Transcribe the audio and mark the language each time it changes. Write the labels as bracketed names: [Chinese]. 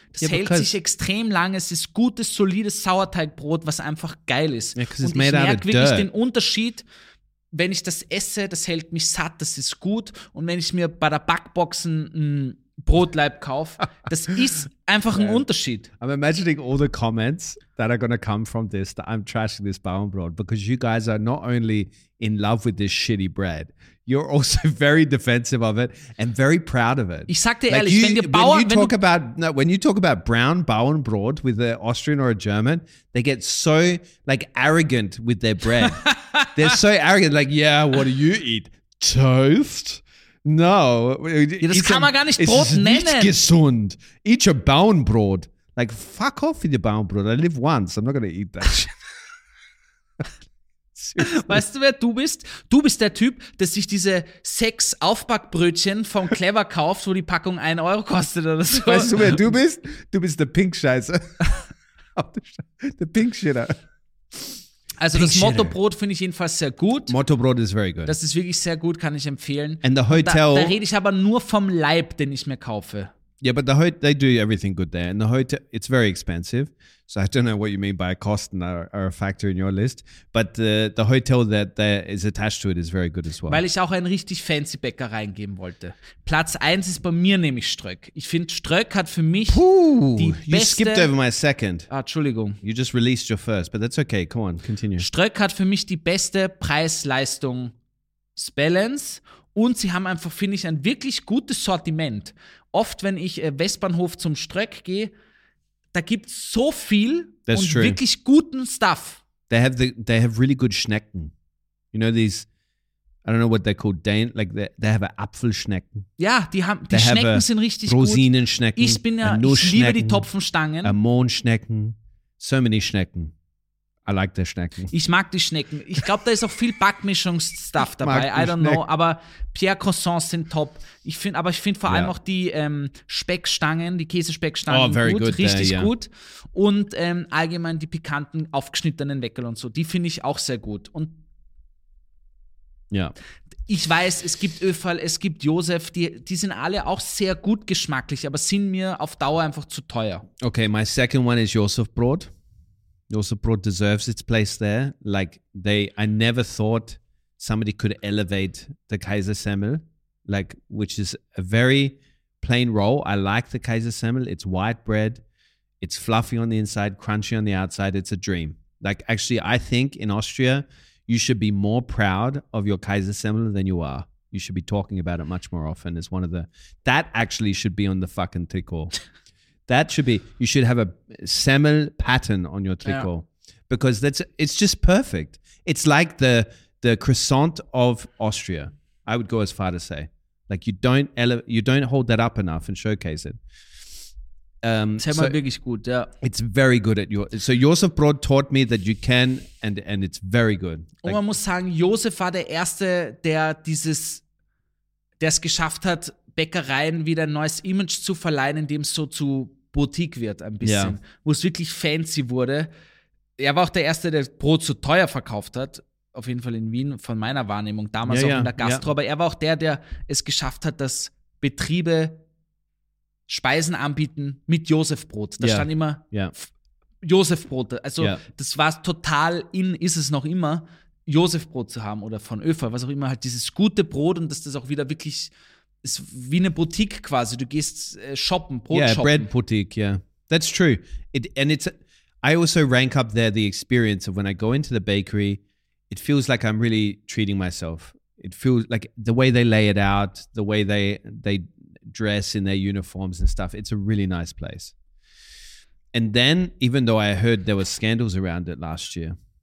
[German] Das hält sich extrem lange. Es ist gutes, solides Sauerteigbrot, was einfach geil ist. [English] Yeah, [German] und ich merke wirklich [English] dirt. [German] Den Unterschied, wenn ich das esse, das hält mich satt, das ist gut. Und wenn ich mir bei der Backbox ein Brotleib kaufe, das ist einfach ein Unterschied. [English] I'm imagining all the comments that are going to come from this, that I'm trashing this Bauernbrot, because you guys are not only in love with this shitty bread, you're also very defensive of it and very proud of it. [German] Ich sag dir ehrlich, [English] when you talk about brown Bauernbrot with an Austrian or a German, they get so like arrogant with their bread. They're so arrogant, like, yeah, what do you eat? Toast? No. [German] Ja, das kann man gar nicht Brot nennen. Nicht gesund. [English] Eat your Bauernbrot. Like, fuck off with your Bauernbrot. I live once. I'm not going to eat that shit. [German] Weißt du, wer du bist? Du bist der Typ, der sich diese 6 Aufbackbrötchen vom Clever kauft, wo die Packung 1 Euro kostet oder so. Weißt du, wer du bist? Du bist der Pink-Scheiße. Der Pink-Shitter. Also das Motto-Brot finde ich jedenfalls sehr gut. [English] Motto-Brot is very good. [German] Das ist wirklich sehr gut, kann ich empfehlen. [English] And the hotel. [German] Da rede ich aber nur vom Leib, den ich mir kaufe. [English] Yeah, but they do everything good there. And the hotel, it's very expensive. So I don't know what you mean by a cost and are a factor in your list. But the hotel that is attached to it is very good as well. [German] Weil ich auch einen richtig fancy Bäcker reingeben wollte. Platz 1 ist bei mir nämlich Ströck. Ich finde, Ströck hat für mich die beste... [English] You skipped over my second. [German] Ah, Entschuldigung. [English] You just released your first, but that's okay. Come on, continue. [German] Ströck hat für mich die beste Preis-Leistung Balance. Und sie haben einfach, finde ich, ein wirklich gutes Sortiment. Oft, wenn ich Westbahnhof zum Ströck gehe, da gibt es so viel [English] That's [German] und [English] true. [German] Wirklich guten Stuff. [English] They have really good Schnecken. You know these, I don't know what they're called, they have Apfelschnecken. [German] Ja, die Schnecken sind richtig gut. Rosinenschnecken, Nussschnecken. Ich liebe die Topfenstangen. [English] Mohnschnecken, so many Schnecken. I like the Schnecken. [German] Ich mag die Schnecken. Ich glaube, da ist auch viel Backmischungsstuff dabei. [English] I don't [German] Schnecken. Know. Aber Pierre Croissants sind top. Ich finde vor allem auch die Speckstangen, die Käsespeckstangen gut. Richtig gut. Und allgemein die pikanten, aufgeschnittenen Weckerl und so. Die finde ich auch sehr gut. Und ich weiß, es gibt Öferl, es gibt Josef. Die sind alle auch sehr gut geschmacklich, aber sind mir auf Dauer einfach zu teuer. [English] Okay, my second one is Josef Brot. Josef Brot deserves its place there. Like I never thought somebody could elevate the Kaisersemmel, like which is a very plain roll. I like the Kaisersemmel. It's white bread. It's fluffy on the inside, crunchy on the outside. It's a dream. Like actually, I think in Austria, you should be more proud of your Kaisersemmel than you are. You should be talking about it much more often. It's one of the that actually should be on the fucking Trikot. That should be, you should have a Semmel pattern on your Trikot. Yeah. Because it's just perfect. It's like the croissant of Austria, I would go as far to say. Like you don't hold that up enough and showcase it. [German] Semmel wirklich gut, ja. [English] It's very good at so Josef Brot taught me that you can and it's very good. [German] Like, und man muss sagen, Josef war der Erste, der es geschafft hat, Bäckereien wieder ein neues Image zu verleihen, indem es so zu Boutique wird ein bisschen, wo es wirklich fancy wurde. Er war auch der Erste, der Brot so teuer verkauft hat, auf jeden Fall in Wien, von meiner Wahrnehmung, damals auch in der Gastro, aber er war auch der es geschafft hat, dass Betriebe Speisen anbieten mit Josef Brot. Da stand immer Josef Brot. Also das war total in, ist es noch immer, Josef Brot zu haben oder von Öferl, was auch immer, halt dieses gute Brot und dass das auch wieder wirklich ist wie eine Boutique quasi. Du gehst shoppen, Brot shoppen. [English] Yeah, bread boutique, yeah. That's true. I also rank up there the experience of when I go into the bakery, it feels like I'm really treating myself. It feels like the way they lay it out, the way they dress in their uniforms and stuff, it's a really nice place. And then, even though I heard there were scandals around it last year,